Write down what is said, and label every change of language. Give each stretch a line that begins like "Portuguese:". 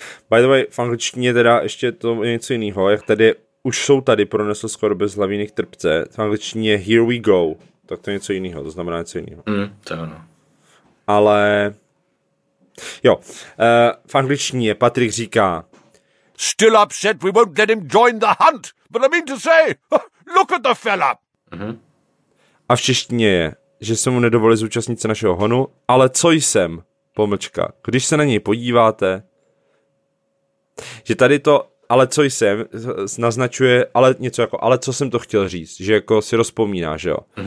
Czech: By the way, v angličtině teda ještě to je něco jiného, jak tady už jsou tady, pronesl skoro bez hlavíny trpce, v angličtině
English: here we go,
Czech: tak to je něco jiného, to znamená něco jiného. To je ono. Ale, jo, v angličtině Patrick říká
English: still upset, we won't let him join the hunt, but I mean to say, look at the fella.
Czech: A v češtině je, že se mu nedovolí zúčastnit se našeho honu, ale co jsem, pomlčka, když se na něj podíváte, že tady to, ale co jsem, naznačuje, ale něco jako, ale co jsem to chtěl říct, že jako si rozpomínáš, že jo.